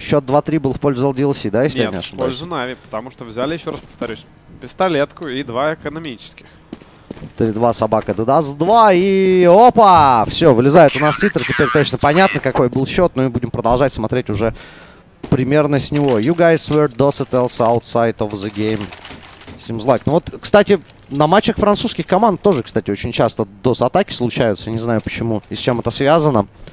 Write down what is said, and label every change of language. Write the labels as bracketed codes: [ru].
[ru] Счет 2-3 был в пользу LDLC, да, если нет, я не ошибаюсь? В пользу Na'Vi, потому что взяли, еще раз повторюсь, пистолетку и 2 экономических. 3-2, собака DDoS 2 и... Опа! Все, вылезает у нас титр. Теперь точно понятно, какой был счет. Ну и будем продолжать смотреть уже примерно с него. [en] You guys were DDoSed else outside of the game. Seems like. [ru] Ну вот, кстати... На матчах французских команд тоже, кстати, очень часто DDoS-атаки случаются. Не знаю, почему и с чем это связано.